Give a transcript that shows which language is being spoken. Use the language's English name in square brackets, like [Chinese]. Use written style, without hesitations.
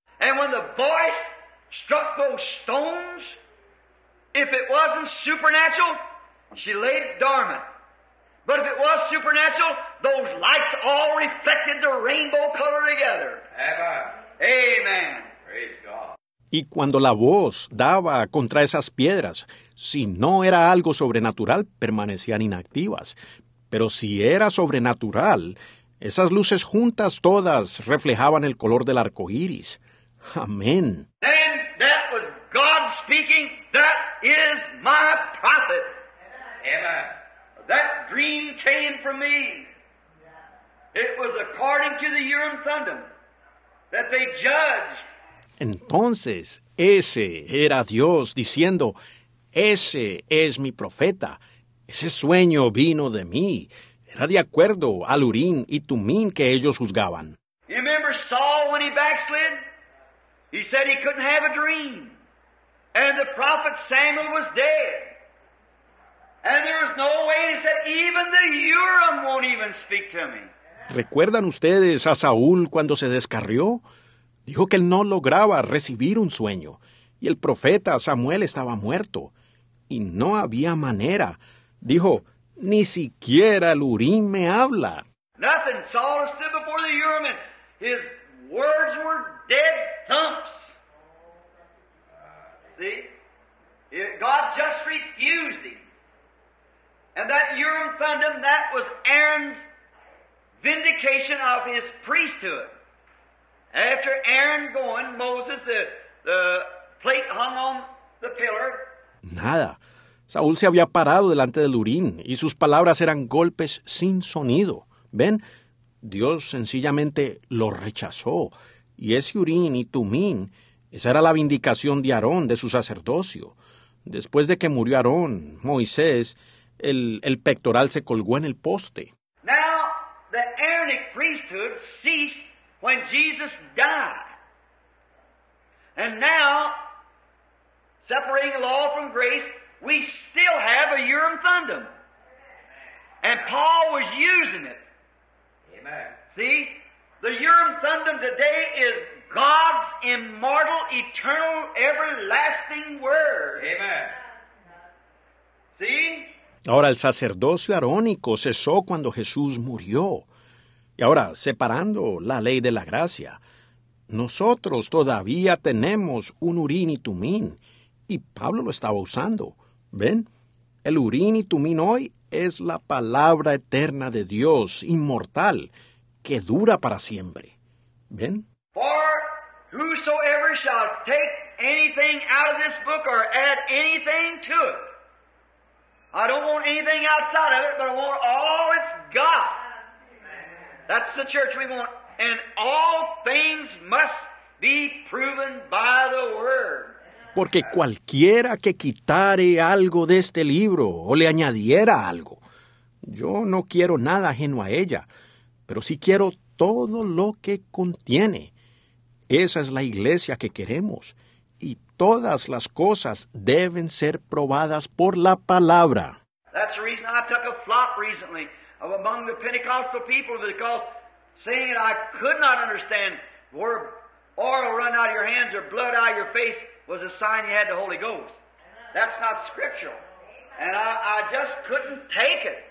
[English] And when the voice struck those stones, if it wasn't supernatural, she laid dormant. But if it was supernatural, those lights all reflected the rainbow color together. Amen. Praise God. [Spanish] Y cuando la voz daba contra esas piedras, si no era algo sobrenatural, permanecían inactivas. Pero si era sobrenatural, esas luces juntas todas reflejaban el color del arco iris. Amén. [English] And that was God speaking, that is my prophet. Amen. That dream came from me. It was according to the Urim Thummim that they judged. [Spanish] Entonces, ese era Dios diciendo, ese es mi profeta. Ese sueño vino de mí. Era de acuerdo al Urim y Tumim que ellos juzgaban. [English] You remember Saul when he backslid? He said he couldn't have a dream. And the prophet Samuel was dead. And there was no way, he said, even the Urim won't even speak to me. [Spanish] ¿Recuerdan ustedes a Saúl cuando se descarrió? Dijo que él no lograba recibir un sueño. Y el profeta Samuel estaba muerto. Y no había manera. Dijo, ni siquiera el Urim me habla. [English] Nothing. Saul stood before the Urim and his words were dead thumps. See? God just refused him. And that Urim Thummim, that was Aaron's vindication of his priesthood. After Aaron going, Moses, the plate hung on the pillar. [Spanish] Nada. Saúl se había parado delante del Urim, y sus palabras eran golpes sin sonido. ¿Ven? Dios sencillamente lo rechazó. Y ese Urim y Tumim, esa era la vindicación de Aarón, de su sacerdocio. Después de que murió Aarón, Moisés, el pectoral se colgó en el poste. [English] Now, the Aaronic priesthood ceased when Jesus died. And now, separating law from grace, we still have a Urim Thummim. And Paul was using it. Amen. See? The Urim Thummim today is God's immortal, eternal, everlasting word. Amen. See? [Spanish] Ahora, el sacerdocio arónico cesó cuando Jesús murió. Y ahora, separando la ley de la gracia, nosotros todavía tenemos un Urim y Tumim. Y Pablo lo estaba usando. ¿Ven? El Urim y Tumim hoy es la palabra eterna de Dios, inmortal, que dura para siempre. ¿Ven? [English] For whosoever shall take anything out of this book or add anything to it. I don't want anything outside of it, but I want all it's got. That's the church we want. And all things must be proven by the word. [Spanish] Porque cualquiera que quitare algo de este libro o le añadiera algo, yo no quiero nada ajeno a ella, pero sí quiero todo lo que contiene. Esa es la iglesia que queremos, y todas las cosas deben ser probadas por la palabra. [English] That's the reason I took a flop recently among the Pentecostal people, because saying that I could not understand where oil run out of your hands or blood out of your face was a sign he had the Holy Ghost. That's not scriptural. And I just couldn't take it.